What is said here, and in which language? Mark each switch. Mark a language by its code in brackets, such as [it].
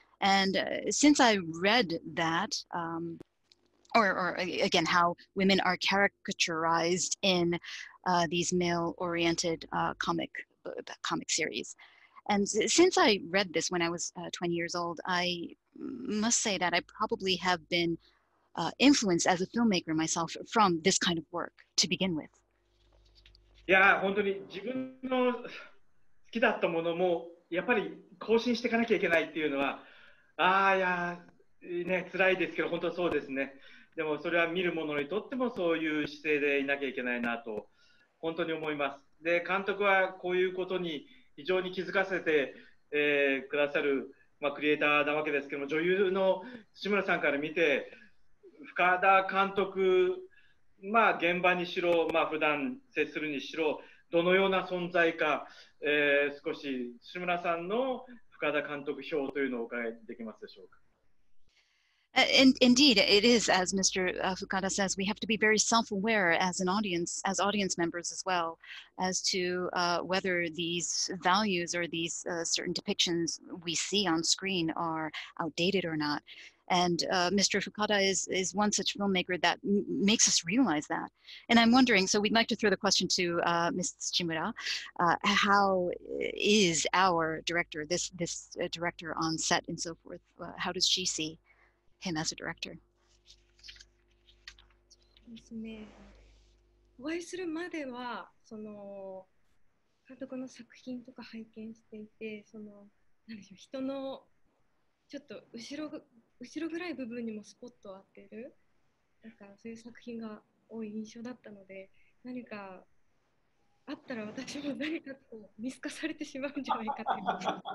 [en] And since I read that, or again, how women are caricaturized in these male-oriented comic series. And since I read this when I was 20 years old, I must say that I probably have been influenced as a filmmaker myself from this kind of work to begin with. [ja] Yeah, 本当に自分の好きだったものもやっぱり更新していかなきゃいけないっていうのは、ああ、いやね、辛いですけど、本当そうですね。でもそれは見る者にとってもそういう姿勢でいなきゃいけないなと本当に思います。で、監督はこういうことに非常に気づかせて、くださる、まあ、クリエイターなわけですけども、女優の辻村さんから見て深田監督、まあ、現場にしろ、まあ、普段接するにしろどのような存在か、少し辻村さんの深田監督表というのをお伺いできますでしょうか。 [en] Indeed, it is, as Mr. Fukada says, we have to be very self-aware as audience members as well, as to whether these values or these certain depictions we see on screen are outdated or not. And Mr. Fukada is one such filmmaker that makes us realize that. And I'm wondering, so we'd like to throw the question to Ms. Tsuchimura, how is our director, this director on set and so forth, how does she see? Him as a director. [ja] ですね。お会いするまでは、その監督の作品とか拝見していて、その何でしょう、人のちょっと後ろ暗い部分にもスポットを当てる、なんかそういう作品が多い印象だったので、何かあったら私も何かこう見透かされてしまうんじゃないかって。